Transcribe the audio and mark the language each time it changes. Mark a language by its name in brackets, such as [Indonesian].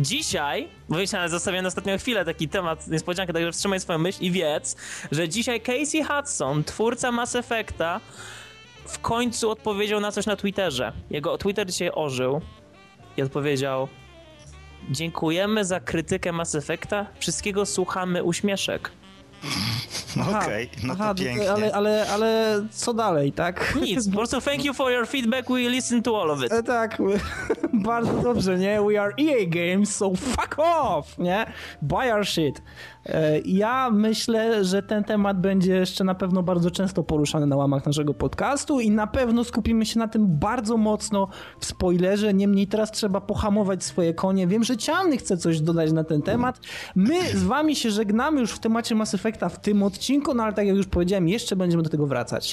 [Polish] Dzisiaj, bo myślałem, zostawiłem na ostatnią chwilę taki temat, niespodziankę, także wstrzymaj swoją myśl i wiedz, że dzisiaj Casey Hudson, twórca Mass Effecta, w końcu odpowiedział na coś na Twitterze. Jego Twitter dzisiaj ożył i odpowiedział: dziękujemy za krytykę Mass Effecta, wszystkiego słuchamy, uśmieszek. Okej, pięknie. Ale co dalej, tak? Nic, po prostu [English] thank you for your feedback, we listen to all of it. [Polish] Tak, bardzo dobrze, nie? [English] We are EA Games, so fuck off, [Polish] nie? [English] Buy our shit. [Polish] Ja myślę, że ten temat będzie jeszcze na pewno bardzo często poruszany na łamach naszego podcastu i na pewno skupimy się na tym bardzo mocno w spoilerze, niemniej teraz trzeba pohamować swoje konie. Wiem, że Ciany chce coś dodać na ten temat. My z wami się żegnamy już w temacie Mass Effecta w tym odcinku, no ale tak jak już powiedziałem, jeszcze będziemy do tego wracać.